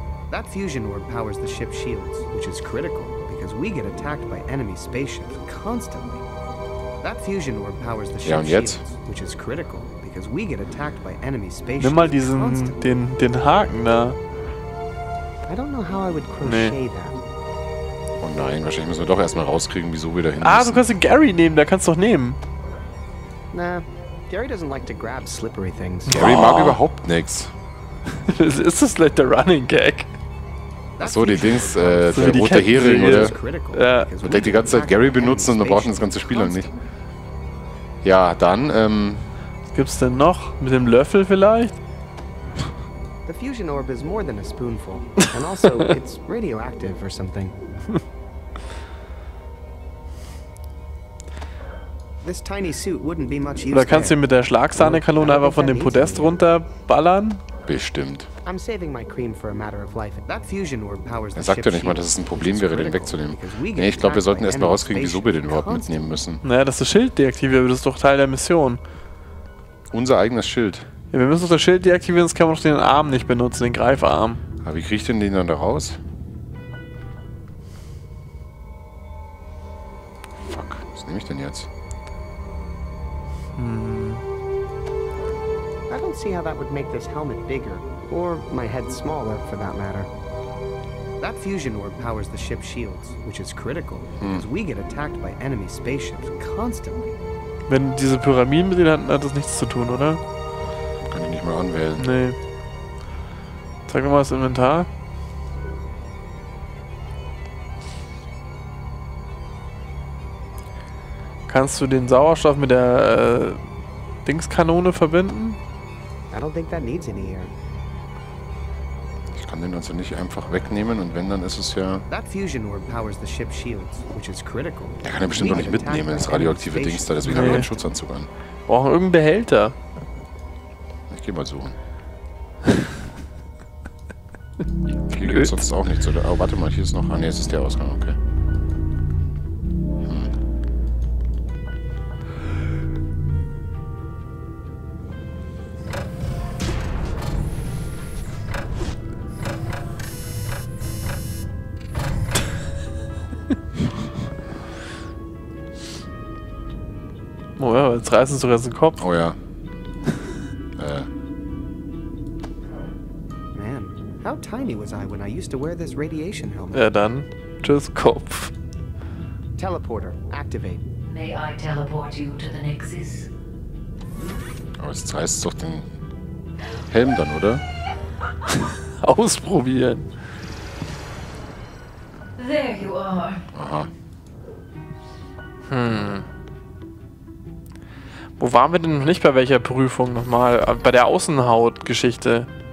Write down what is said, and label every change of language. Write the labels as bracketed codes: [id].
[en] That fusion orb powers the ship's shields, which is critical. We get attacked by enemy spaceships constantly. That fusion orb powers the ship, [de] ja, [en] which is critical because we get attacked by enemy spaceships. [de] Nimm mal diesen den Haken da. [en] I don't know how I would crochet that. [de] Oh nein, wahrscheinlich müssen wir doch erstmal rauskriegen, wieso wir da hin. Ah, du kannst den Gary nehmen, da kannst du doch nehmen. [en] Nah, Gary doesn't like to grab slippery things. [de] Gary mag überhaupt nichts. Das ist das [en] like the [de] running gag. So, die Dings, so der rote Hering, oder? Ja. Man denkt die ganze Zeit Gary benutzen und dann braucht man das ganze Spiel lang nicht. Ja, dann, Was gibt's denn noch? Mit dem Löffel vielleicht? [en] The fusion orb is more than a spoonful. And also, it's radioactive or something. This tiny suit wouldn't be much use. [de] Oder kannst du ihn mit der Schlagsahnekanone einfach von dem Podest runterballern? Bestimmt. [en] I'm saving my cream for a matter of life. That fusion orb powers the ship. [de] Er sagt ja nicht mal, dass es ein Problem wäre, den wegzunehmen. Nee, ich glaube, wir sollten erstmal rauskriegen, wieso wir den überhaupt mitnehmen müssen. Naja, das ist das Schild deaktiviert, das ist doch Teil der Mission. Unser eigenes Schild. Ja, wir müssen doch das Schild deaktivieren, sonst kann man doch den Arm nicht benutzen, den Greifarm. Aber wie kriegt denn den dann da raus? Fuck, was nehme ich denn jetzt? [en] I don't see how that would make this helmet bigger. Or my head smaller, for that matter. That fusion orb powers the ship's shields, which is critical, because we get attacked by enemy spaceships constantly. [de] Wenn diese Pyramiden mit denen hatten, hat das nichts zu tun, oder? Kann ich nicht mal anwählen. Nee. Zeig mir mal das Inventar. Kannst du den Sauerstoff mit der Dingskanone verbinden? [en] I don't think that needs any air. [de] Kann den also nicht einfach wegnehmen und wenn, dann ist es ja. [en] That fusion orb powers the ship's shields, which is critical. [de] Der kann ja bestimmt doch nicht mitnehmen, das radioaktive Dings da, deswegen haben wir einen Schutzanzug an. Brauchen wir irgendeinen Behälter. Ich geh mal suchen. Hier gibt's sonst auch nichts, oder? Oh, warte mal, hier ist noch. Ah, ne, es ist der Ausgang, okay. Oh ja, jetzt reißen sie sogar den Kopf. Oh ja. [en] Man, how tiny was I when I used to wear this radiation helmet? [de] Ja, dann tschüss Kopf. [en] Teleporter, activate. May I teleport you to the Nexus? [de] Aber jetzt reißt es doch den Helm dann, oder? Ausprobieren. [en] There you are. Aha. [de] Wo waren wir denn noch nicht bei welcher Prüfung nochmal? Bei der Außenhautgeschichte.